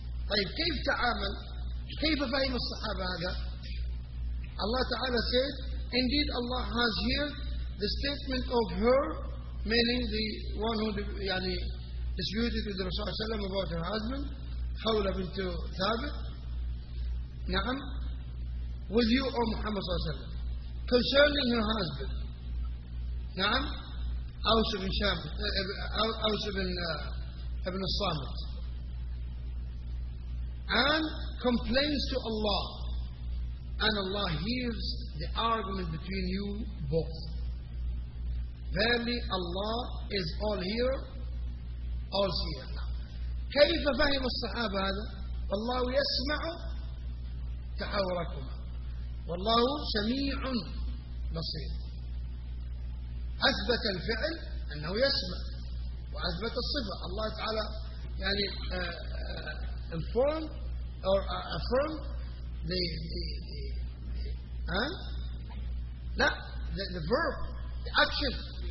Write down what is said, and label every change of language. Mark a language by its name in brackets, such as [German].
[Arabic] طيب كيف تعامل, كيف فهم الصحابة هذا؟ الله تعالى [English] said indeed Allah has heard the statement of her, meaning the one who يعني disputed with the Rasul صلى الله عليه وسلم about her husband, حول بنت ثابت. نعم with you O Muhammad صلى الله عليه وسلم concerning her husband. [Arabic] نعم أوس بن شامت أوس بن ابن الصامت. [English] And complains to Allah and Allah hears the argument between you both. Verily Allah is all here all seer. [Arabic] كيف فهم الصحابة هذا؟ والله يسمع تحاوركما والله سميع بصير. أثبت الفعل أنه يسمع وأثبت الصفة الله تعالى يعني [English] informed or affirmed the verb, the action.